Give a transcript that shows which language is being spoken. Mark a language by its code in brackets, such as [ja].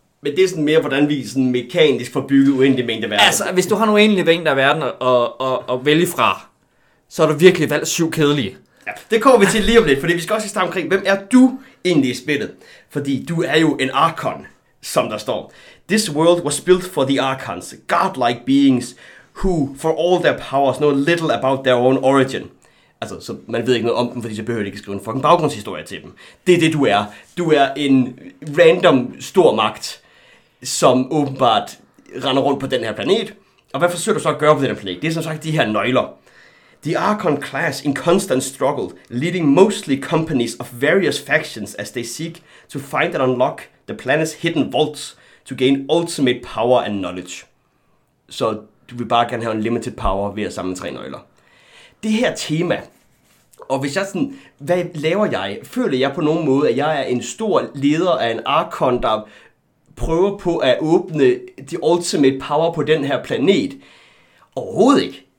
[da] Men det er sådan mere, hvordan vi sådan mekanisk får bygget uendelig mængde verden. Altså, hvis du har nogle uendelige mængde af verden at vælge fra, så har du virkelig valgt 7 kedelige. Ja, det kommer vi til lige om lidt, fordi vi skal også starte omkring, hvem er du egentlig i spillet? Fordi du er jo en Archon, som der står. [en] This world was built for the Archons, godlike beings, who, for all their powers, know little about their own origin. [da] Altså, så man ved ikke noget om dem, fordi så behøver de ikke skrive en fucking baggrundshistorie til dem. Det er det, du er. Du er en random stor magt, som åbenbart render rundt på den her planet. Og hvad forsøger du så at gøre på den her planet? Det er som sagt de her nøgler. [en] The Archon class in constant struggle, leading mostly companies of various factions as they seek to find and unlock the planet's hidden vaults to gain ultimate power and knowledge. [da] Så du vil bare gerne have en limited power ved at samle tre nøgler. Det her tema, og hvis jeg sådan, hvad laver jeg? Føler jeg på nogen måde, at jeg er en stor leder af en Archon, der prøver på at åbne the ultimate power på den her planet? Overhovedet ikke.